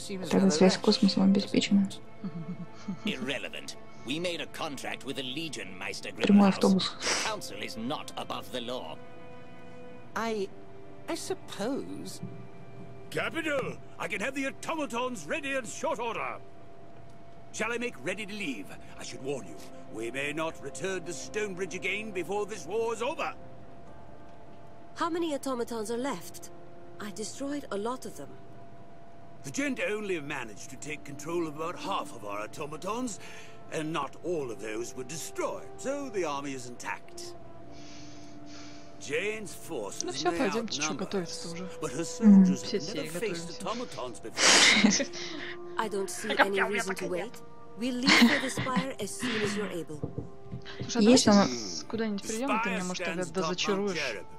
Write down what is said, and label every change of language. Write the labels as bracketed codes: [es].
[ru] Тогда связь с космосом обеспечена. [en] Irrelevant. We made a contract with the Legion, Meister Grimmelhaus. Council is not above the law. I suppose... Capital! I can have the automatons ready in short order. Shall I make ready to leave? I should warn you, we may not return to Stonebridge again before this war is over. How many automatons are left? I destroyed a lot of them. The Gent only managed to take control of about half of our automatons, and not all of those were destroyed, so the army is intact. Jane's forces [ru] ну все, пойдемте, что готовится уже. Все серии готовимся. А как я у меня пока нет? Слушай, а если давай сейчас куда-нибудь придем, ты меня, может, тогда дозачаруешь.